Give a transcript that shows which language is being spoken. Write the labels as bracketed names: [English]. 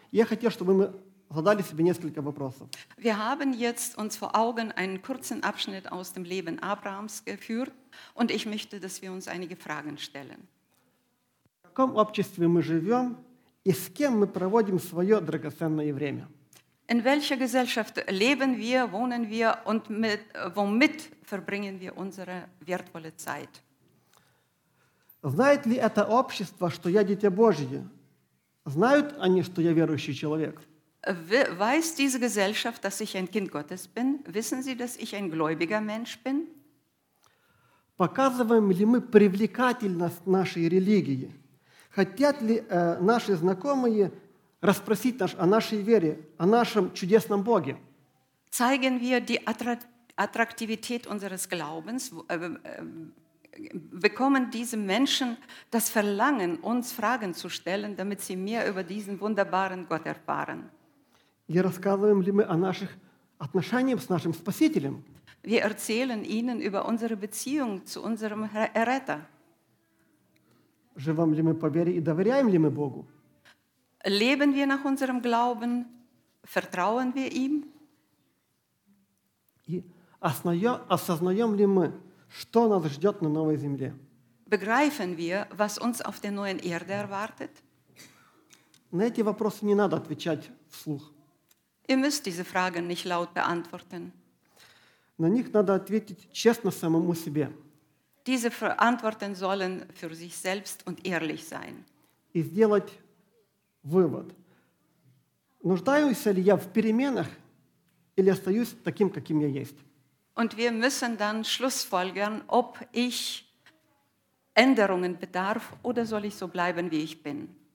[Russian] Я хотел, чтобы мы задали себе несколько вопросов. [German] Wir haben jetzt uns vor Augen einen kurzen Abschnitt aus dem Leben Abrahams geführt und ich möchte, dass wir uns einige Fragen stellen. [Russian] В каком обществе мы живем и с кем мы проводим свое драгоценное время? [German] In welcher Gesellschaft leben wir, wohnen wir und womit verbringen wir unsere wertvolle Zeit? [Russian] Знает ли это общество, что я дитя Божье? Знают они, что я верующий человек? [German] Weiß diese Gesellschaft, dass ich ein Kind Gottes bin? Wissen sie, dass ich ein gläubiger Mensch bin? [Russian] Показываем ли мы привлекательность нашей религии? Хотят ли наши знакомые расспросить нас о нашей вере, о нашем чудесном Боге? [German] Zeigen wir die Attraktivität unseres Glaubens? Bekommen diese Menschen das Verlangen, uns Fragen zu stellen, damit sie mehr über diesen wunderbaren Gott erfahren? [Russian] И рассказываем ли мы о наших отношениях с нашим Спасителем? [German] Wir erzählen ihnen über unsere Beziehung zu unserem Retter. [Russian] Живем ли мы по вере и доверяем ли мы Богу? [German] Leben wir nach unserem Glauben? Vertrauen wir ihm? [Russian] И осознаем ли мы, что нас ждет на новой земле? [German] Begreifen wir, was uns auf der neuen Erde erwartet? [Russian] На эти вопросы не надо отвечать вслух. [German] Ihr müsst diese Fragen nicht laut beantworten. [Russian] На них надо ответить честно самому себе. [German] Diese Antworten sollen für sich selbst und ehrlich sein. [Russian] И сделать вывод. Нуждаюсь ли я в переменах или остаюсь таким, каким я есть? [German] Und wir müssen dann schlussfolgern, ob ich Änderungen bedarf oder soll ich so bleiben, wie ich bin.